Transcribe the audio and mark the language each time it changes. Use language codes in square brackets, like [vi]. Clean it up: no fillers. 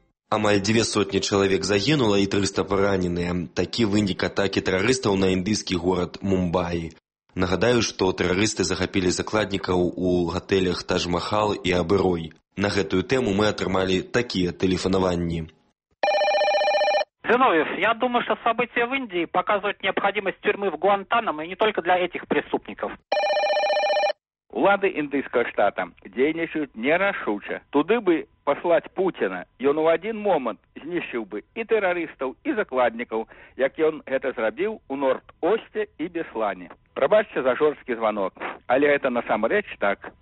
[be] Амаль 200 чалавек загінула і 300 параненыя. Такі вынік атакі тэрарыстаў на індыйскі горад Мумбаі. Нагадаю, што тэрарысты захапілі закладнікаў у гатэлях Тадж-Махал і Абырой. На гэтую тэму мы атрымалі такія тэлефанаванні. [ru] Зиновьев, я думаю, что события в Индии показывают необходимость тюрьмы в Гуантанамо и не только для этих преступников. [be] Улады індыйскага штата дзейнічаюць нерашуча. Туды бы паслаць Путіна, ён у адзін момант знішчыў бы і тэрарыстаў, і закладнікаў, як ён гэта зрабіў у Норд-Осце і Беслане. Прабачце за жорсткі званок, але гэта насамрэч так.